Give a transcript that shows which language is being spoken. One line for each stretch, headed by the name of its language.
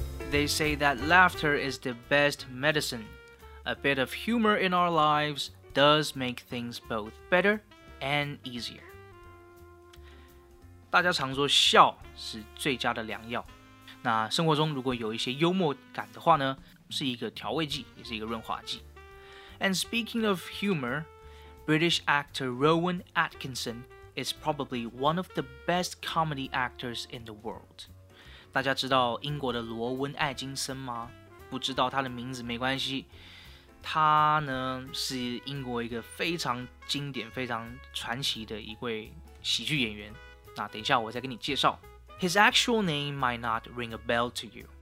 English: They say that laughter is the best medicine. A bit of humor in our lives does make things both better and easier.
Chinese: 大家常说笑是最佳的良药，那生活中如果有一些幽默感的话呢，是一个调味剂，也是一个润滑剂。
English: And speaking of humor, British actor Rowan Atkinson is probably one of the best comedy actors in the world.
Chinese: 大家知道英国的罗温·艾金森吗？不知道他的名字没关系，他呢是英国一个非常经典非常传奇的一位喜剧演员，那等一下我再跟你介绍。
English: His actual name might not ring a bell to you.